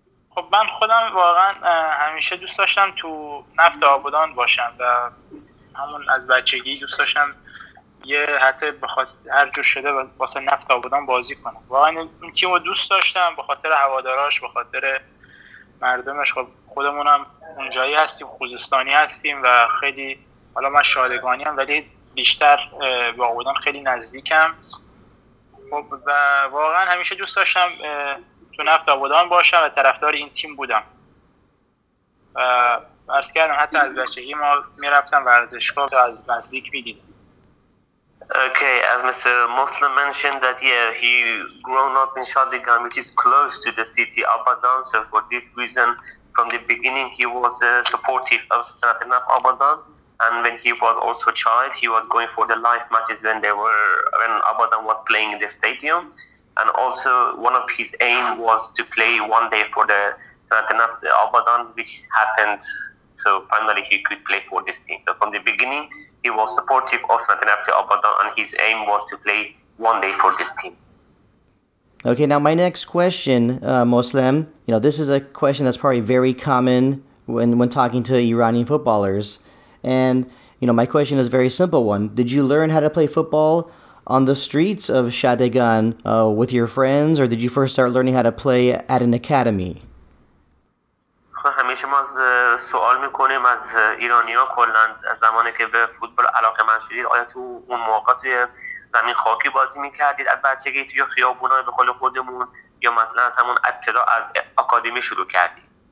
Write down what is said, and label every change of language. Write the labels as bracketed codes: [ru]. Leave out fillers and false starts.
[fa] خب من خودم واقعا همیشه دوست داشتم تو نفت آبادان باشم و همون از بچگی دوست داشتم یه حتی بخاطر هر جور شده واسه نفت آبادان بازی کنم واقعا این تیم رو دوست داشتم به خاطر هواداراش به خاطر مردمش خب خودمونم اونجایی هستیم خوزستانی هستیم و خیلی حالا من شادگانی هم ولی بیشتر به آبادان خیلی نزدیکم خب و واقعا همیشه دوست داشتم تو نفت آبادان باشم و طرفدار این تیم بودم و عرض کردم حتی از بچگی ما میرفتم ورزشگاه از نزدیک میدیدم [en] Okay, as Mr. Muslim mentioned that, yeah, he grown up in Shadegan, which is close to the city Abadan. So for this reason, from the beginning, he was supportive of Sanat-e Neft Abadan. And when he was also a child, he was going for the live matches when Abadan was playing in the stadium. And also one of his aim was to play one day for the Sanat-e Neft Abadan, which happened. So finally, he could play for this team. So from the beginning, he was supportive of Sanat-e Neft Abadan, and his aim was to play one day for this team. Okay, now my next question, Moslem, you know, this is a question that's probably very common when talking to Iranian footballers. And, you know, my question is a very simple one. Did you learn how to play football on the streets of Shadegan with your friends, or did you first start learning how to play at an academy? [fa] همیشه ما از سوال میکنیم از ایرانی ها کلند از زمانی که به فوتبال علاقه من شدید آیا تو اون موقع توی زمین خاکی بازی میکردید از بچگی توی خیابون های به قول خودمون یا مثلا همون ابتدا از آکادمی شروع کردید